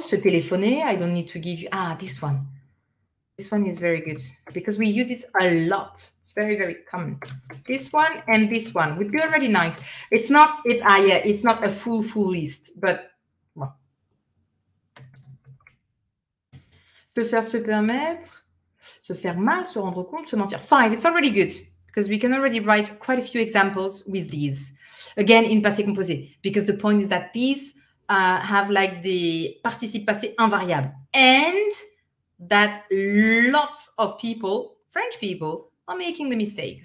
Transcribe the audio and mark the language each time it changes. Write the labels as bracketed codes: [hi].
[en] Se téléphoner, I don't need to give you... Ah, this one. This one is very good because we use it a lot. It's very, very common. This one and this one would be already nice. It's not, it's not a full list, but... Well. [fr] Se faire se permettre, se faire mal, se rendre compte, se mentir. [en] Fine, it's already good because we can already write quite a few examples with these. Again, in passé composé, because the point is that these have like the participe passé invariable, and that lots of people, French people, are making the mistake.